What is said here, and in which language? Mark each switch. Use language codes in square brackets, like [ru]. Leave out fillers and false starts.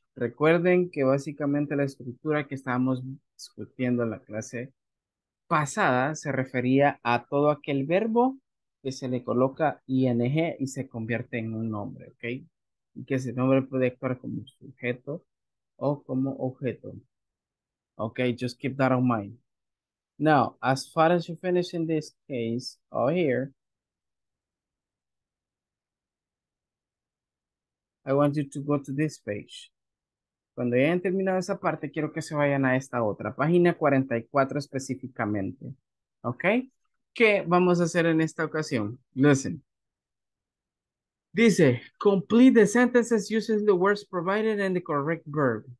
[es] Recuerden que básicamente la estructura que estábamos discutiendo en la clase pasada se refería a todo aquel verbo que se le coloca ing y se convierte en un nombre, okay? Y que ese nombre puede actuar como sujeto o como objeto. [en] Okay, just keep that in mind. Now, as far as you finish in this case, over here, I want you to go to this page. [es] Cuando hayan terminado esa parte, quiero que se vayan a esta otra, página 44 específicamente. Okay? ¿Qué vamos a hacer en esta ocasión? Listen. Dice, [en] complete the sentences using the words provided and the correct verb.